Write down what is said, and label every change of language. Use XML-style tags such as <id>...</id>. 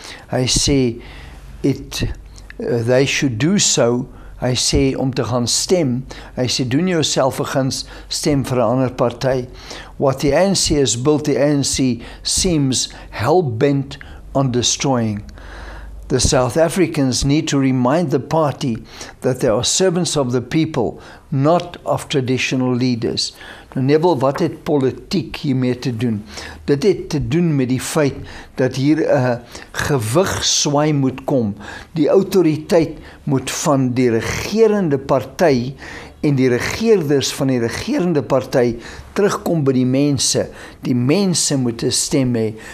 <af>Hy sê,</af> <en>they should do so,</en> <af>hy sê, om te gaan stem, hy sê, doen jouself eens stem vir 'n ander party.</af> <en>What the ANC has built, the ANC seems hell-bent on destroying. The South Africans need to remind the party that they are servants of the people, not of traditional leaders.</en> <af>Nou, Neville, wat het politiek hiermee te doen? Dit het te doen met die feit dat hier 'n gewigswaai moet kom. Die autoriteit moet van die regerende party en die regerders van die regerende party terugkom by die mense. Die mense moet 'n stem hê.</af>